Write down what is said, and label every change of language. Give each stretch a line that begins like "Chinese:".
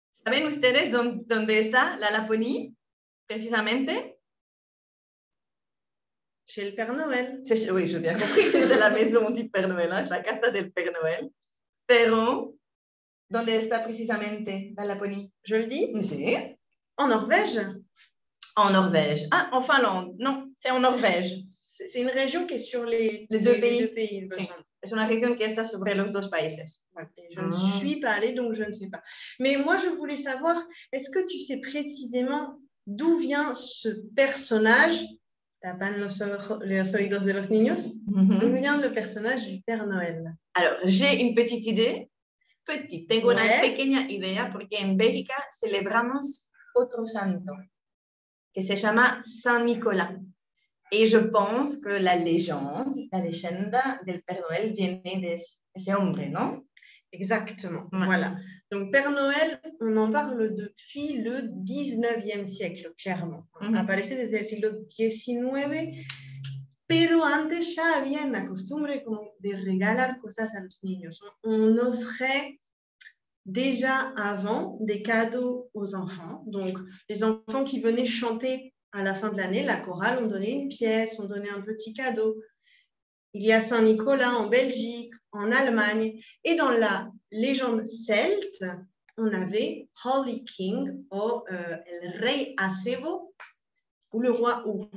Spanish: ¿Saben ustedes dónde está la Laponie? Precisamente.
French: Chez le Père Noël. Oui, j'ai bien compris que c'était la maison du Père Noël, hein,
Spanish: la casa del
French: Père Noël.
Spanish: Pero, ¿dónde está precisamente la Laponie?
French: Je le dis.
Spanish: Sí.
French: En Norvège. En Norvège. Ah, en Finlande. Non, c'est en Norvège. C'est une région qui est sur les deux pays. C'est une région qui est sur les deux pays. Je ne suis pas allée, donc je ne sais pas. Mais moi, je voulais savoir, est-ce que tu sais précisément d'où vient ce personnage?
Spanish: ¿Tapan los oídos de los niños? Mm-hmm.
French: D'où vient le personnage du Père Noël? Alors, j'ai une petite idée.
Spanish: Una pequeña idea, porque en Bélgica celebramos otro santo, que se llama San Nicolás.
French: Et je pense que la légende
Spanish: del
French: Père Noël vient de ce homme, non? Exactement, ouais. Voilà. Donc, Père Noël, on en parle depuis le 19e siècle, clairement. Mm-hmm.
Spanish: Aparece desde el siglo XIX, pero antes ya había una costumbre como de regalar cosas a los niños.
French: On offrait déjà avant des cadeaux aux enfants. Donc, les enfants qui venaient chanter à la fin de l'année, la chorale, on donnait une pièce, on donnait un petit cadeau. Il y a Saint-Nicolas en Belgique, en Allemagne. Et dans la légende celte, on avait Holy King,
Spanish: el rey Acebo,
French: ou le roi Ou.